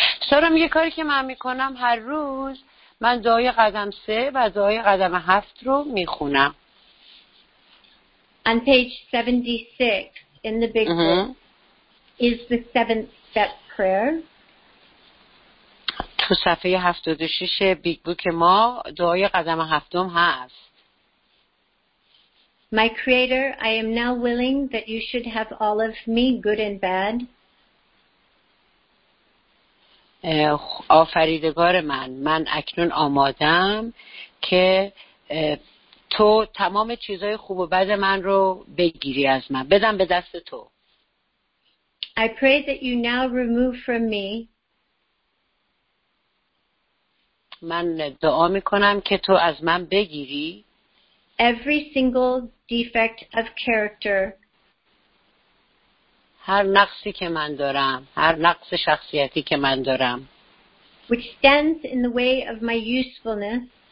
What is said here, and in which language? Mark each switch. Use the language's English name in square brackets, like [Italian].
[Persian] سارم یه کاری که من میکنم هر روز من دعای قدم 3 و دعای قدم 7 رو میخونم. [English] On page 76 in the big book is the 7th step prayer. [Persian] تو صفحه 76 بیگ بوک ما دعای قدم 7 هست. [English] My creator, I am now willing that you should have all of me, good and bad. [Persian] آفریدگار من اکنون آمادم که تو تمام چیزهای خوب و بد من رو بگیری از من، بدم به دست تو. [English] I pray that you now remove from me. [Persian] من دعا میکنم که تو از من بگیری. [English] Every single defect of character. [Persian] هر نقصی که من دارم، هر نقص شخصیتی که من دارم. [English] Which stands in the way of my usefulness.